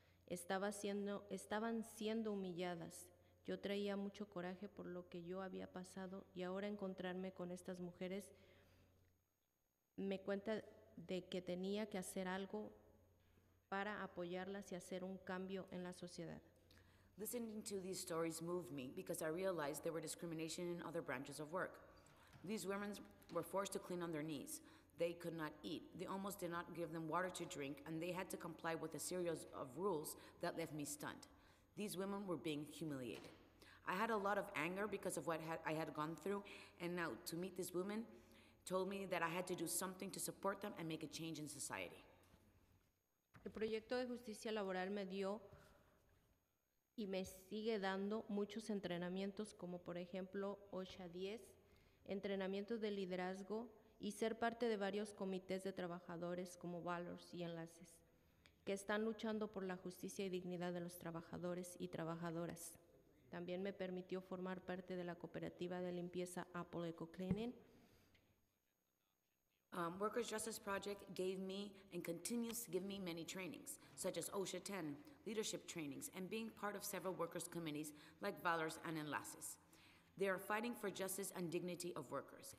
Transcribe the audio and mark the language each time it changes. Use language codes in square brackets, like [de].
[es] Estaban siendo humilladas. Yo traía mucho coraje por lo que yo había pasado y ahora encontrarme con estas mujeres me cuenta de que tenía que hacer algo para apoyarlas y hacer un cambio en la sociedad. [en] Listening to these stories moved me because I realized there were discrimination in other branches of work. These women were forced to clean on their knees. They could not eat. They almost did not give them water to drink, and they had to comply with a series of rules that left me stunned. These women were being humiliated. I had a lot of anger because of what I had gone through, and now to meet this woman told me that I had to do something to support them and make a change in society. [es] El proyecto de justicia laboral me dio y me sigue dando muchos entrenamientos, como por ejemplo OSHA 10, entrenamientos de liderazgo y ser parte de varios comités de trabajadores como Valors y Enlaces, que están luchando por la justicia y dignidad de los trabajadores y trabajadoras. También me permitió formar parte de la cooperativa de limpieza Apple Eco Cleaning. [en] Workers' Justice Project gave me and continues to give me many trainings, such as OSHA 10, leadership trainings, and being part of several workers' committees like Valors and Enlaces. They are fighting for justice and dignity of workers.